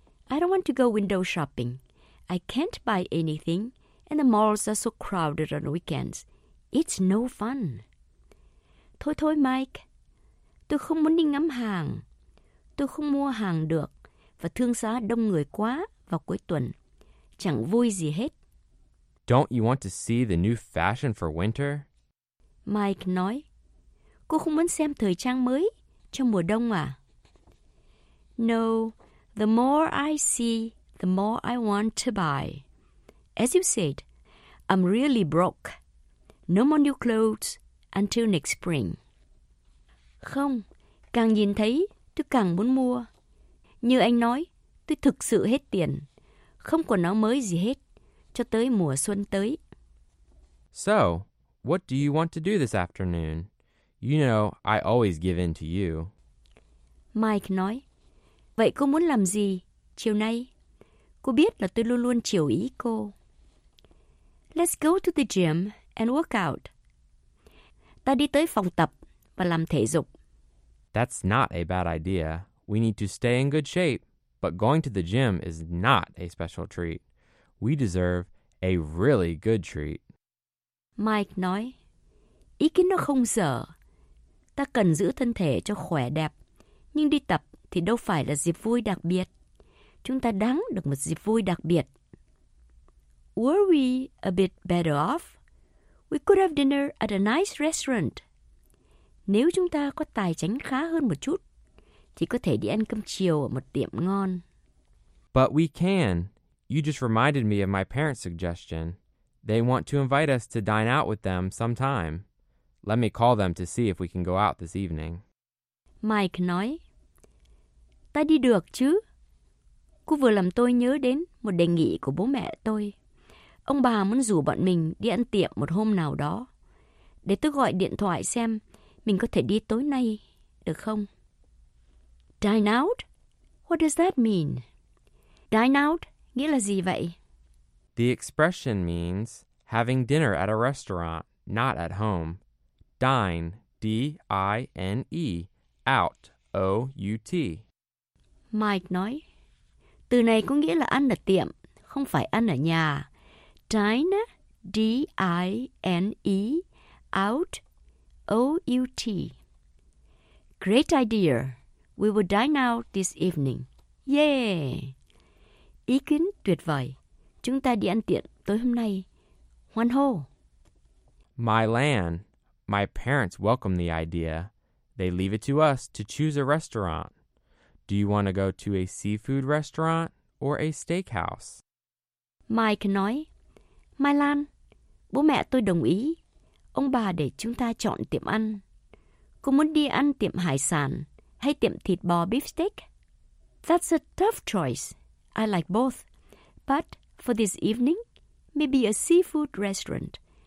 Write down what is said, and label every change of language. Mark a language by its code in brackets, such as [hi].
[en] I don't want to go window shopping. I can't buy anything, and the malls are so crowded on weekends. It's no fun. [vi] Thôi thôi, Mike. Tôi không muốn đi ngắm hàng. Tôi không mua hàng được, và thương xá đông người quá vào cuối tuần. Chẳng vui gì hết. [en] Don't you want to see the new fashion for winter? [vi] Mike nói, cô không muốn xem thời trang mới cho mùa đông à? [en] No, the more I see, the more I want to buy. As you said, I'm really broke. No more new clothes until next spring. [vi] Không, càng nhìn thấy, tôi càng muốn mua. Như anh nói, tôi thực sự hết tiền. Không quần áo mới gì hết, cho tới mùa xuân tới. [en] So, what do you want to do this afternoon? You know, I always give in to you. [vi] Mike nói, vậy cô muốn làm gì chiều nay? Cô biết là tôi luôn luôn chiều ý cô. [en] Let's go to the gym and work out. [vi] Ta đi tới phòng tập và làm thể dục. [en] That's not a bad idea. We need to stay in good shape. But going to the gym is not a special treat. We deserve a really good treat. [vi] Mike nói, ý kiến nó không dở. Ta cần giữ thân thể cho khỏe đẹp. Nhưng đi tập thì đâu phải là dịp vui đặc biệt. Chúng ta đáng được một dịp vui đặc biệt. [en] Were we a bit better off? We could have dinner at a nice restaurant. [vi] Nếu chúng ta có tài chính khá hơn một chút, thì có thể đi ăn cơm chiều ở một tiệm ngon. [en] But we can. You just reminded me of my parents' suggestion. They want to invite us to dine out with them sometime. Let me call them to see if we can go out this evening. [vi] Mike nói, ta đi được chứ? Cô vừa làm tôi nhớ đến một đề nghị của bố mẹ tôi. Ông bà muốn rủ bọn mình đi ăn tiệm một hôm nào đó. Để tôi gọi điện thoại xem mình có thể đi tối nay, được không? [en] Dine out? What does that mean? Dine out [vi] nghĩa là gì vậy? [en] The expression means having dinner at a restaurant, not at home. Dine, D-I-N-E, out, O-U-T. [vi] Mike nói, từ này có nghĩa là ăn ở tiệm, không phải ăn ở nhà. [en] Dine, D-I-N-E, out, O-U-T. Great idea. We will dine out this evening. [vi] Yay! Ý kiến tuyệt vời. Chúng ta đi ăn tiệm tối hôm nay. Hoan hô! [en] Mylan, my parents welcome the idea. They leave it to us to choose a restaurant. Do you want to go to a seafood restaurant or a steakhouse? [vi] Mike nói, Mylan, bố mẹ tôi đồng ý. Ông bà để chúng ta chọn tiệm ăn. Cô muốn đi ăn tiệm hải sản hay tiệm thịt bò beefsteak? [en] That's a tough choice. I like both. But for this evening, maybe a seafood restaurant.